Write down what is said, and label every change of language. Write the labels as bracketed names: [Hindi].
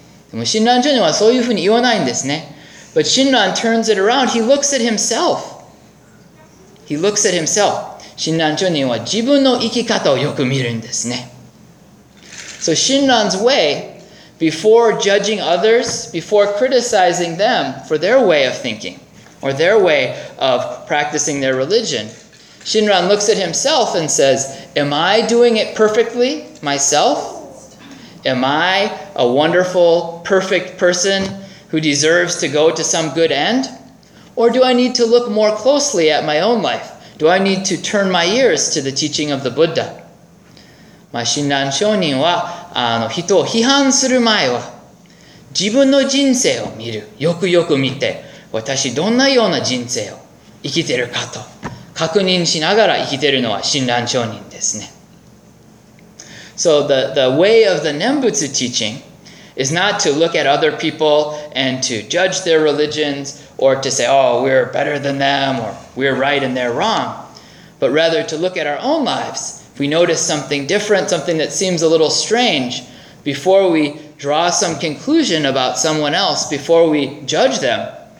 [Japanese] でも親鸞聖人はそういうふうに言わないんですね。 [English] But 親鸞 turns it around. He looks at himself. He looks at himself. [Japanese] 親鸞聖人は自分の生き方をよく見るんですね。 [English] So 親鸞's way, before judging others, before criticizing them for their way of thinking, or their way of practicing their religion, 親鸞 looks at himself and says, am I doing it perfectly myself? Am I a wonderful, perfect person who deserves to go to some good end? Or do I need to look more closely at my own life? Do I need to turn my ears to the teaching of the Buddha? [Japanese] まあ、親鸞聖人は、人を批判する前は、自分の人生を見る。よくよく見て、私どんなような人生を生きてるかと確認しながら生きてるのは親鸞聖人ですね。 [English] So the way of the Nembutsu teaching is not to look at other people and to judge their religions or to say, oh, we're better than them or we're right and they're wrong, but rather to look at our own lives. If we notice something different, something that seems a little strange, before we draw some conclusion about someone else, before we judge them,